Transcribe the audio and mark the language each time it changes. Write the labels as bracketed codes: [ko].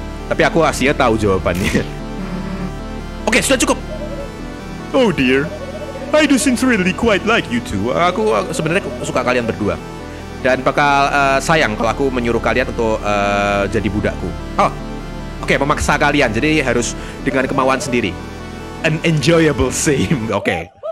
[id] Tapi aku asyik tahu jawabannya. Oke, sudah cukup. [en] Oh dear, I do sincerely quite like you two. [id] Aku sebenarnya suka kalian berdua. Dan bakal sayang kalau aku menyuruh kalian untuk jadi budakku. Oh, oke, memaksa kalian. Jadi harus dengan kemauan sendiri. [en] An enjoyable same, [id] oke.